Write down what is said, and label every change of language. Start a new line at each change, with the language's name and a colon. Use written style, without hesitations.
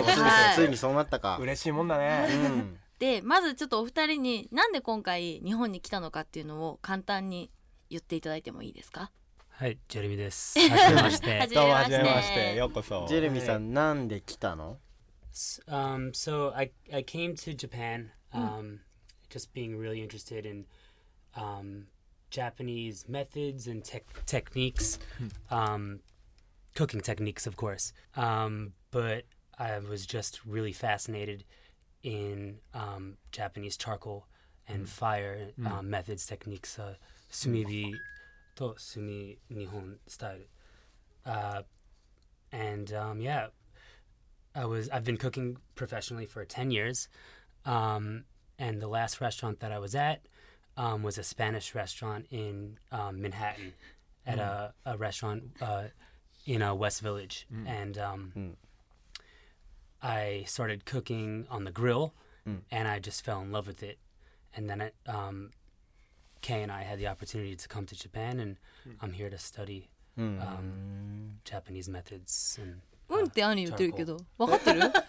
Japanese: の、はい、ついにそうなったか。嬉しいもんだね、で、まずちょっとお二人になんで今回日本に来たのかっていうのを簡単に言っていただいてもいいですか？はい、ジェレミーです。はじめまして。どうも、はじめまして、ようこそ。ジェレミーさん、なんで来たの？
English: So, I came to Japan、just being really interested in、Japanese methods and techniques、cooking techniques, of course、but I was just really fascinated in、Japanese charcoal and fire、methods, techniques、
Japanese: 炭火と炭日本スタイル、
English: and、yeah, I've been cooking professionally for 10 years、and the last restaurant that I was at、was a Spanish restaurant in、Manhattan at、a restaurant、in a West Village、and、I started cooking on the grill、and I just fell in love with it. And then it、Kay and I had the opportunity to come to Japan and I'm here to study、Japanese methods and、
Japanese: って兄言ってるけど分かってる？